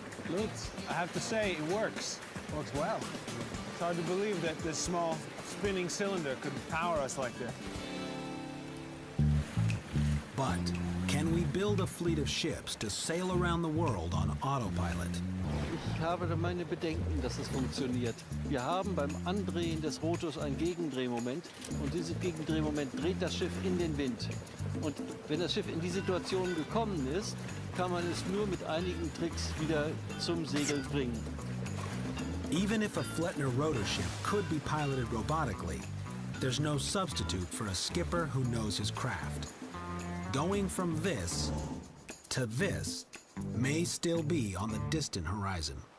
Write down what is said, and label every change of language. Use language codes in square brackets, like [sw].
[en] Lutz, I have to say, it works. Works well. It's hard to believe that this small spinning cylinder could power us like this. But can we build a fleet of ships to sail around the world on autopilot? [de] Ich habe da meine Bedenken, dass es funktioniert. Wir haben beim Andrehen des Rotors ein Gegendrehmoment und dieses Gegendrehmoment dreht das Schiff in den Wind. Und wenn das Schiff in die Situation gekommen ist, kann man es nur mit einigen Tricks wieder zum Segeln bringen. [en] Even if a Flettner rotor ship could be piloted robotically, there's no substitute for a skipper who knows his craft. Going from this to this may still be on the distant horizon.